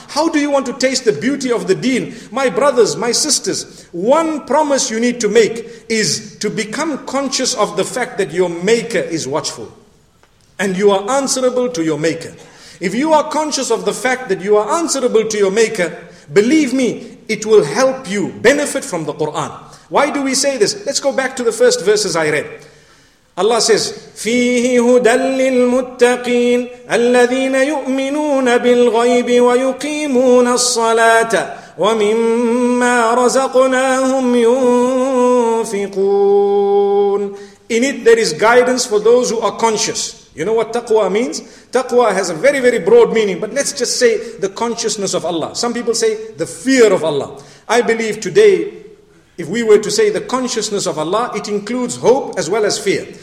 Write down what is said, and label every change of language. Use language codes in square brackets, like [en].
[en] How do you want to taste the beauty of the deen? My brothers, my sisters, one promise you need to make is to become conscious of the fact that your maker is watchful. And you are answerable to your maker. If you are conscious of the fact that you are answerable to your maker, believe me, it will help you benefit from the Quran. Why do we say this? Let's go back to the first verses I read. Allah says, [ar] فِيهِ هُدًى لِلْمُتَّقِينَ الَّذِينَ يُؤْمِنُونَ بِالْغَيْبِ وَيُقِيمُونَ الصَّلَاةَ وَمِمَّا رَزَقْنَاهُمْ يُنْفِقُونَ. [en] In it there is guidance for those who are conscious. You know what taqwa means? Taqwa has a very, very broad meaning. But let's just say the consciousness of Allah. Some people say the fear of Allah. I believe today, if we were to say the consciousness of Allah, it includes hope as well as fear.